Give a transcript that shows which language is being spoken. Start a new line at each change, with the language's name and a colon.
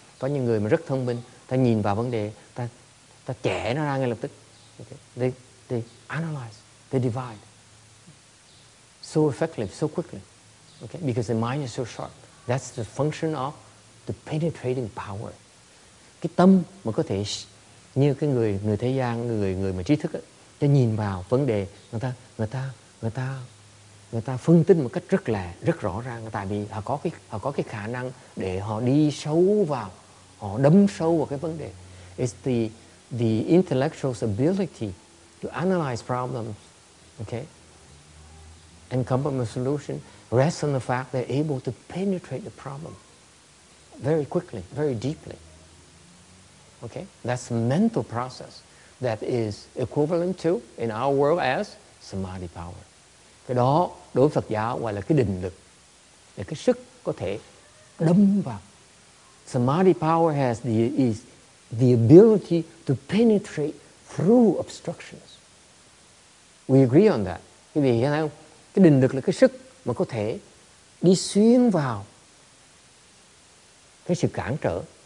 Vietnamese: Có những người mà rất thông minh, ta nhìn vào vấn đề, ta chẻ nó ra ngay lập tức.
English: Okay. They analyze, they divide so effectively, so quickly. Okay. Because their mind is so sharp. That's the function of the penetrating power.
Vietnamese: Cái tâm mà có thể như cái người thế gian, người mà trí thức á, cho nhìn vào vấn đề, người ta phân tích một cách rất rõ ràng, tại vì họ có cái khả năng để họ đi sâu vào, họ đâm sâu vào cái vấn đề.
English: It's the intellectual's ability to analyze problems, okay, and come up with a solution rests on the fact they're able to penetrate the problem very quickly, very deeply. Okay, that's a mental process that is equivalent to, in our world, as samadhi power.
Vietnamese: Cái đó, đối với Phật giáo, gọi là cái định lực, là cái sức có thể đâm vào.
English: Samadhi power is the ability to penetrate through obstructions. We agree on that.
Vietnamese: Quý vị hiểu không? Cái định lực là cái sức mà có thể đi xuyên vào cái sự cản trở.